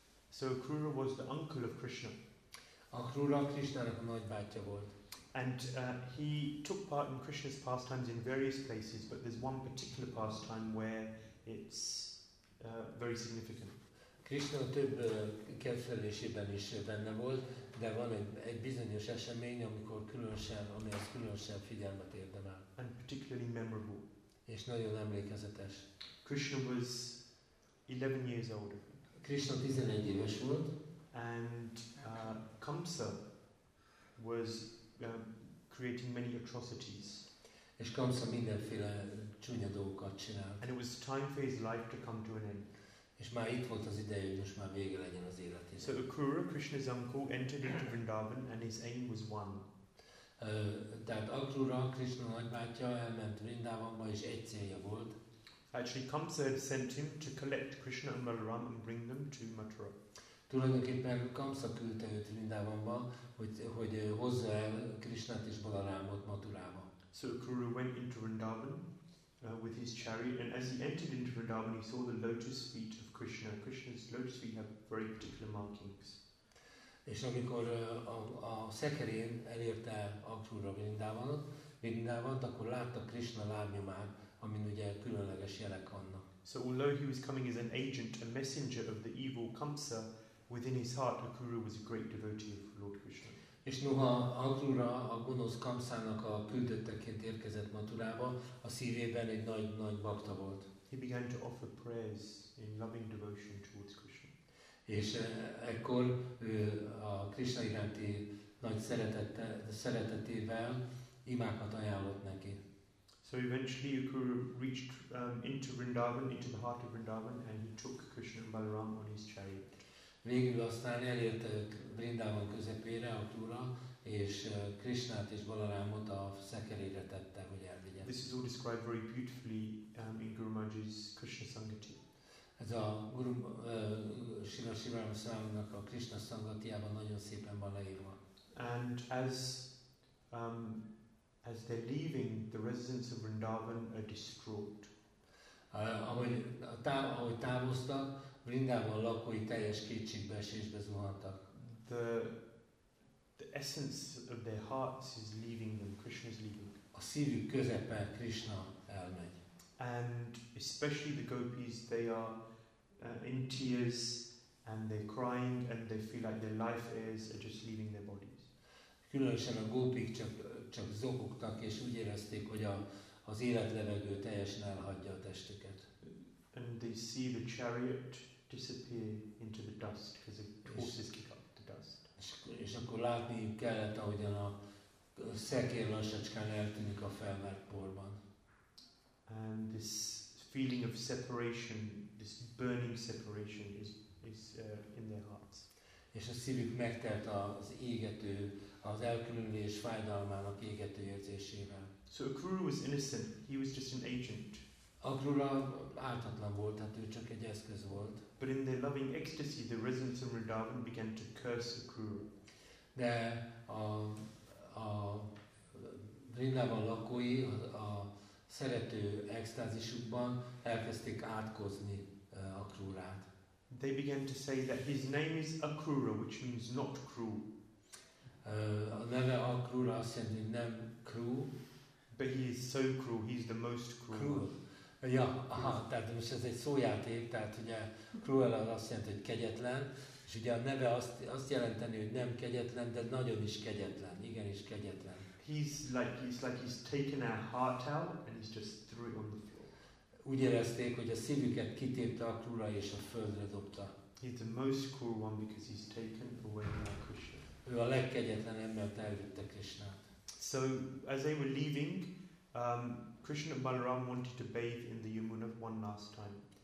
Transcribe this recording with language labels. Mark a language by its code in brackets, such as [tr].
[en] So Akrura was the uncle of Krishna. [hu] Akrura Krishnának a nagybátyja volt. [en] And he took part in Krishna's pastimes in various places, but there's one particular pastime where it's very significant. [hu] Krishna több kedvelésében is benne volt, de van egy bizonyos esemény, amikor különösen, ami az különösen figyelmet érdemel. [en] And particularly memorable. [hu] És nagyon emlékezetes. [en] Krishna was 11 years old. [hu] Krishna 11 éves volt. [en] And Kamsa was creating many atrocities. [hu] És Kamsa mindenféle csúnya dolgokat csinált. [en] And it was time for his life to come to an end. [hu] És már itt volt az ideje, hogy most már vége legyen az életének. [en] So Akrura, Krishna's uncle, entered into Vrindavan and his aim was one. [hu] Tehát Akrura, Krishna nagybátyja elment Vrindavanba és egy célja volt. [en] Actually, Kamsa had sent him to collect Krishna and Balaram and bring them to Mathura. [hu] Tulajdonképpen Kamsa küldte őt Vrindavanba, hogy hozza el Krishnát és Balarámot Mathurába. [en] So Akrura went into Vrindavan with his chariot, and as he entered into Vrindavan, he saw the lotus feet of Krishna. Krishna's lotus feet have very particular markings. [hu] És amikor a szekerén elérte Akrura Vrindavant, akkor látta Krishna lábnyomát, amin ugye különleges jelek vannak. [en] So although he was coming as an agent, a messenger of the evil Kamsa, within his heart, Akrura was a great devotee of Lord Krishna. [hu] És noha Akrura a gonosz Kamszának a küldötteként érkezett Mathurába, a szívében egy nagy bhakta volt. [en] He began to offer prayers in loving devotion towards Krishna. [hu] És ekkor ő a Krishna iránti nagy szeretetével imákat ajánlott neki. [en] So eventually Ukur reached into Vrindavan, into the heart of Vrindavan, and he took Krishna and Balaram on his chariot. [hu] Végül aztán elért Vrindavan közepére a túra, és Krishnát és Balarámot a szekerére tette, hogy elvigye. [en] This is all described very beautifully in Guru Maharaj's Krishna Sangati. [hu] Ez a Guru Sivarama-számának a Krishna Sangatiában nagyon szépen van leírva. [en] And as they're leaving, the residents of Vrindavan are distraught. [hu] Ahogy távoztak, Vrindavan lakói teljes kétségbeesésbe zuhantak. [en] The essence of their hearts is leaving them. Krishna is leaving. [hu] A szívük közepe Krishna elmegy. [en] And especially the gopis, they are in tears and they're crying and they feel like their life airs are just leaving their bodies. [hu] Különösen a gópik csak zokogtak, és úgy érezték, hogy az életlevegő teljesen elhagyja a testüket. [en] And they see the chariot disappear into the dust because the horses kick up the dust. [hu] És akkor látni kellett, ahogyan a szekér lassacskán eltűnik a felmert porban. [en] And this feeling of separation, this burning separation is in their hearts. [hu] És a szívük megtelt az égető, az elkülönülés fájdalmának égető érzésével. [en] So Akrura was innocent, he was just an agent. [hu] Akrura ártatlan volt, hát ő csak egy eszköz volt. [en] But in their loving ecstasy, the residents of Vrindavan began to curse Akrura. [hu] De a Vrindavan lakói a szerető extázisukban elkezdték átkozni Akrurát. [en] They began to say that his name is Akrura, which means not cruel. [hu] A neve Akrura azt jelenti, hogy nem cruel. [en] But he is so cruel, he is the most cruel. Cruel. [hu] Ja, aha, tehát most ez egy szójáték, tehát ugye cruel az azt jelenti, hogy kegyetlen, és ugye a neve azt jelenteni, hogy nem kegyetlen, de nagyon is kegyetlen, igenis kegyetlen. [en] He's like he's taken our heart out and he's just threw it on the floor. [hu] Úgy érezték, hogy a szívüket kitépte a krúra és a földre dobta. [en] He's the most cruel one because he's taken away our Krishna. [hu] Ő a legkegyetlenebb, mert elvitte Krishnát. [en] So as they were leaving, Krishna Balaram wanted to bathe in the Yamuna one last time.